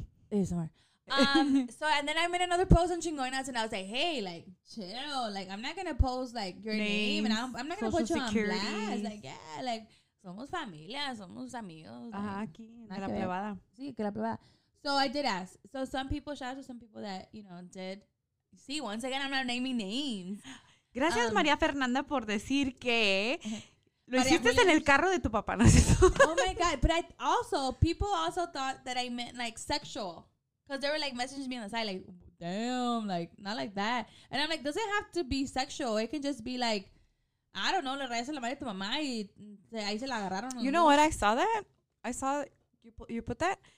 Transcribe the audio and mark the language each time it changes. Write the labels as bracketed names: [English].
[English] So, and then I made another post on Chingonas and I was like, hey, like, chill. Like, I'm not going to post, like, your names, And I'm not going to put you on blast. [Spanish] Like, yeah, like, somos familia, somos amigos. Ajá, aquí, en la plebada. Sí, que la plebada. [English] So I did ask. So some people, shout out to some people that, you know, did. See, once again, I'm not naming names. [Spanish] Gracias, María Fernanda, por decir que lo hiciste en el carro de tu papá. ¿No? [English] Oh, my God. But people also thought that I meant, like, sexual. Because they were, like, messaging me on the side, like, damn, like, not like that. And I'm like, does it have to be sexual? It can just be, like, I don't know, [Spanish] le rayaste la madre a tu mamá y ahí se la agarraron. [English] You know what? I saw that. I saw you put that.